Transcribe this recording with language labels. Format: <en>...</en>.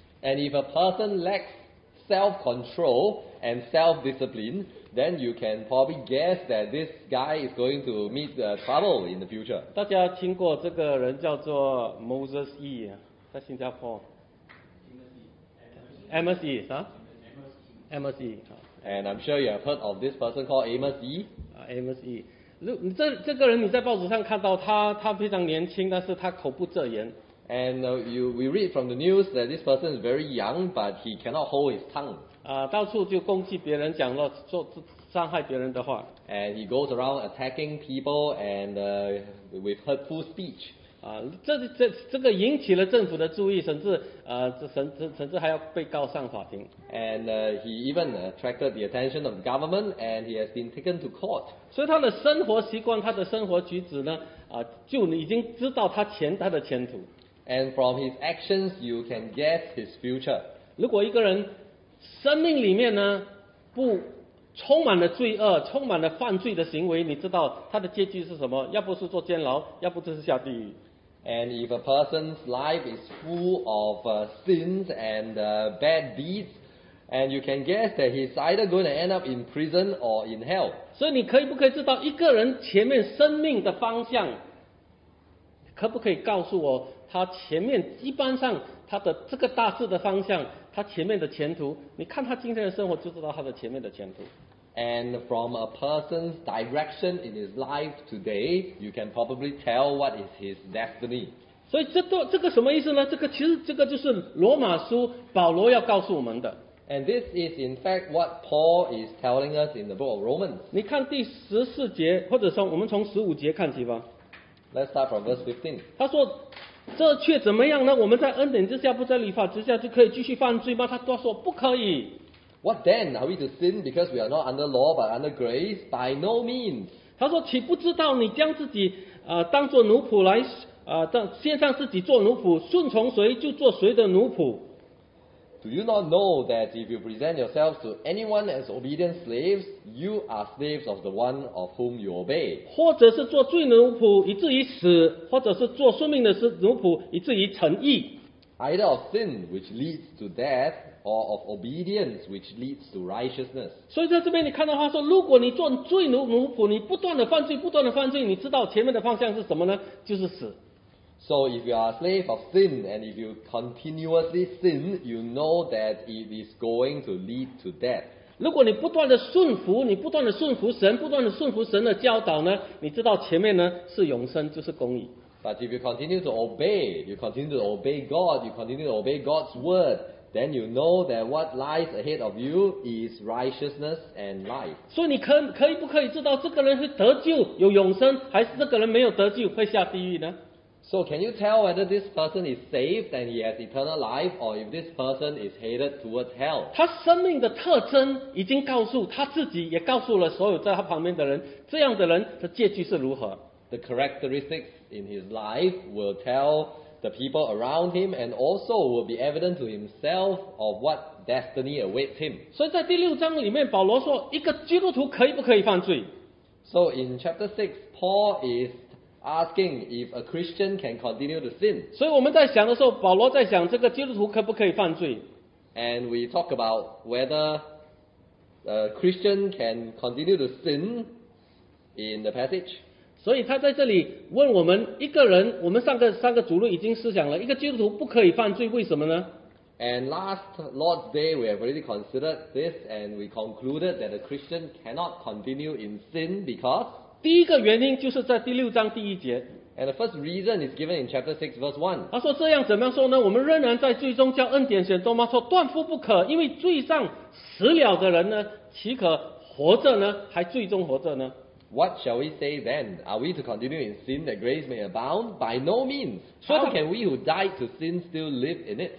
<en>And if a person lacks self-control and self-discipline,then you can probably guess that this guy is going to meet trouble in the future.</en> <zh>大家听过这个人叫做 Moses E 在新加坡。 Amos E 啊 ？Amos E。</zh> <en>And I'm sure you have heard of this person called Amos E. Amos E.</en> <zh>这个人你在报纸上看到他非常年轻，但是他口不择言。</zh> <en>And we read from the news that this person is very young, but he cannot hold his tongue.</en> <zh>到处就攻击别人，讲了做伤害别人的话。</zh> <en>And he goes around attacking people and with hurtful speech.</en> <zh>这个引起了政府的注意，甚至还要被告上法庭。</zh> <en>And he even attracted the attention of government, and he has been taken to court.</en> <zh>所以他的生活习惯，他的生活举止呢，就已经知道他的前途。</zh> <en>And from his actions, you can guess his future.</en> <zh>如果一个人生命里面呢不充满了罪恶，充满了犯罪的行为，你知道他的结局是什么？要不是坐监牢，要不就是下地狱。</zh> <en>And if a person's life is full of sins and bad deeds, and you can guess that he's either going to end up in prison or in hell.</en> <zh>所以你可以不可以知道一个人前面生命的方向？可不可以告诉我？他前面一般上他的这个大致的方向，他前面的前途，你看他今天的生活就知道他的前面的前途。</zh> <en>And from a person's direction in his life today, you can probably tell what is his destiny.</en> <zh>所以这个什么意思呢？这个其实这个就是罗马书保罗要告诉我们的。</zh> <en>And this is in fact what Paul is telling us in the book of Romans.</en> <zh>你看第十四节，或者说我们从十五节看起吧。</zh> <en>Let's start from verse 15.</en> <zh>他说，这却怎么样呢？我们在恩典之下，不在律法之下，就可以继续犯罪吗？他都说不可以。</zh> <en>What then? Are we to sin because we are not under law but under grace? By no means.</en> <zh>他说，岂不知道你将自己当做奴仆来献上自己做奴仆，顺从谁就做谁的奴仆。</zh> <en>Do you not know that if you present yourselves to anyone as obedient slaves, you are slaves of the one of whom you obey?</en> <zh>或者是做罪奴仆以至于死，或者是做顺命的奴仆以至于成义。</zh> <en>Either of sin which leads to death, or of obedience which leads to righteousness.</en> <zh>所以在这边你看到他说，如果你做罪奴仆，你不断的犯罪，不断的犯罪，你知道前面的方向是什么呢？就是死。</zh> <en>So if you are a slave of sin and if you continuously sin, you know that it is going to lead to death.</en> <zh>如果你不断的顺服，你不断的顺服神，不断的顺服神的教导呢，你知道前面呢是永生，就是公义。</zh> <en>But if you continue to obey, you continue to obey God, you continue to obey God's word, then you know that what lies ahead of you is righteousness and life.</en> <zh>所以你可以不可以知道这个人会得救有永生，还是这个人没有得救会下地狱呢？</zh> <en>So can you tell whether this person is saved and he has eternal life or if this person is headed towards hell?</en> <zh>他生命的特征已经告诉他自己，也告诉了所有在他旁边的人，这样的人的结局是如何。</zh> <en>The characteristics in his life will tell the people around him and also will be evident to himself of what destiny awaits him.</en> <zh>所以在第六章里面，保罗说，一个基督徒可以不可以犯罪？</zh> <en>So in chapter 6, Paul is asking if a Christian can continue to sin.</en> <zh>所以我们在想的时候，保罗在想这个基督徒可不可以犯罪。</zh> <en>And we talk about whether a Christian can continue to sin in the passage.</en> <zh>所以他在这里问我们一个人，我们上个主日已经思想了，一个基督徒不可以犯罪，为什么呢？</zh> <en>And last Lord's Day we have already considered this and we concluded that a Christian cannot continue in sin because</en> <zh>第一个原因就是在第六章第一节。</zh> <en>And the first reason is given in chapter 6 verse 1.</en> <zh>他说这样怎么样说呢？我们仍然在罪中叫恩典显多吗？说断乎不可，因为罪上死了的人呢，岂可活着呢？还罪中活着呢？</zh> <en>What shall we say then? Are we to continue in sin that grace may abound? By no means. How can we who died to sin still live in it?</en>